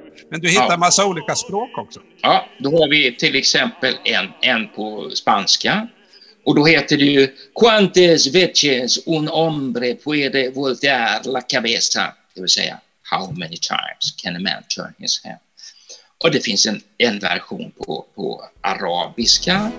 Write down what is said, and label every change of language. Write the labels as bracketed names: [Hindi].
[Swedish] Men du hittar en massa olika språk också. Ja, då har vi till exempel en på spanska. Och då heter det ju [Spanish] Quantas veces un hombre puede voltear la cabeza, [Swedish] det vill säga. [English] How many times can a man turn his head? [Swedish] Och det finns en version på arabiska.